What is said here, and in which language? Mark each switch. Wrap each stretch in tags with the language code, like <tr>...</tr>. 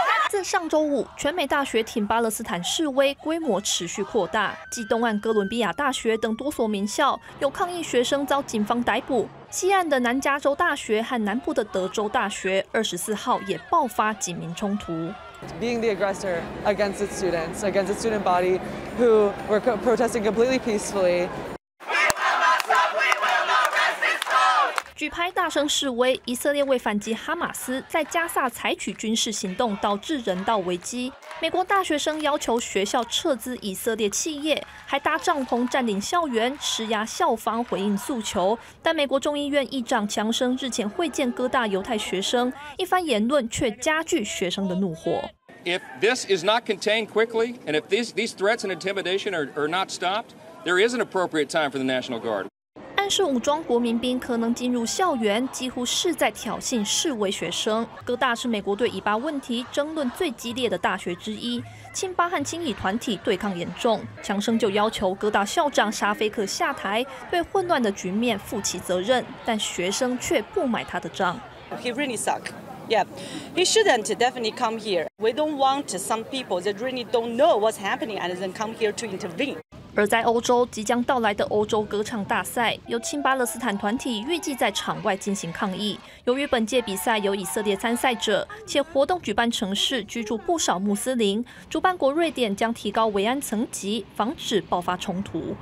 <zh>自上周五，全美大学挺巴勒斯坦示威规模持续扩大，继东岸哥伦比亚大学等多所名校有抗议学生遭警方逮捕，西岸的南加州大学和南部的德州大学24号也爆发警民冲突。</zh> <en>Being the aggressor against its students, against its student body, who were protesting completely peacefully.</en> <zh>举牌大声示威，以色列为反击哈马斯在加萨采取军事行动，导致人道危机。美国大学生要求学校撤资以色列企业，还搭帐篷占领校园，施压校方回应诉求。但美国众议院议长强生日前会见各大犹太学生，一番言论却加剧学生的怒火。</zh> <en>If this is not contained quickly, and if these threats and intimidation are not stopped, there is an appropriate time for the National Guard.</en> <zh>但是武装国民兵可能进入校园，几乎是在挑衅示威学生。哥大是美国对以巴问题争论最激烈的大学之一，亲巴和亲以团体对抗严重，强生就要求哥大校长沙菲克下台，对混乱的局面负起责任，但学生却不买他的账。</zh> <en>He really suck. Yeah, he shouldn't definitely come here. We don't want some people that really don't know what's happening and then come here to intervene.</en> <zh>而在欧洲，即将到来的欧洲歌唱大赛，由亲巴勒斯坦团体预计在场外进行抗议。由于本届比赛由以色列参赛者，且活动举办城市居住不少穆斯林，主办国瑞典将提高维安层级，防止爆发冲突。</zh>